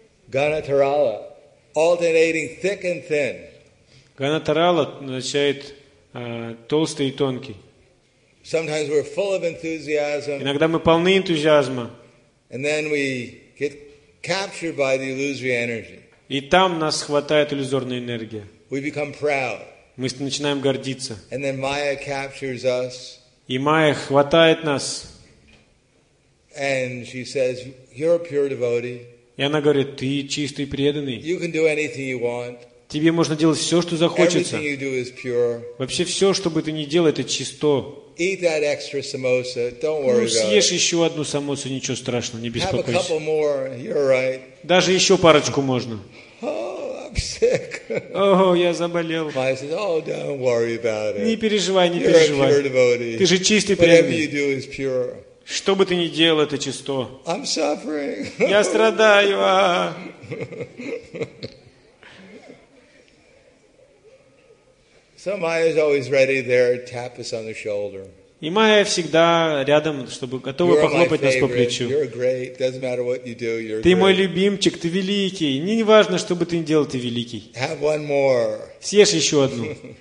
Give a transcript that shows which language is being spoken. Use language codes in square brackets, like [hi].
[en] Ganatarala, alternating thick and thin. [ru] Ganatarala означает толстый и тонкий. [en] Sometimes we're full of enthusiasm. [ru] Иногда мы полны энтузиазма. [en] And then we get captured by the illusory energy. [ru] И там нас хватает иллюзорная энергия. [en] We become proud. [ru] Мы начинаем гордиться. [en] And then Maya captures us. [ru] И Майя хватает нас. [en] And she says, "You're a pure devotee." [ru] И она говорит: "Ты чистый преданный." [en] You can do anything you want. [ru] Тебе можно делать все, что захочется. [en] Everything you do is pure. [ru] Вообще все, что бы ты ни делал, это чисто. [en] Eat that extra samosa. Don't worry about it. [ru] Съешь еще одну самосу, ничего страшного, не беспокойся. [en] Have a couple more. You're right. [ru] Даже еще парочку можно. [en] Oh, I'm sick. [ru] Oh, я заболел. [en] Maya says, "Oh, don't worry about it." [ru] Не переживай, не переживай. [en] You're a pure devotee. [ru] Ты же чистый преданный. [en] Whatever you do is pure. [ru] Что бы ты ни делал, это чисто. [en] I'm suffering. [ru] Я страдаю. [en] So Maya is always ready there, tap us on the shoulder. [ru] И Майя всегда рядом, чтобы готова похлопать нас по плечу. [en] You're great. Doesn't matter what you do. You're [ru] ты мой любимчик, ты великий. Не важно, что бы ты ни делал, ты великий. [en] Have one more. [ru] Съешь еще одну.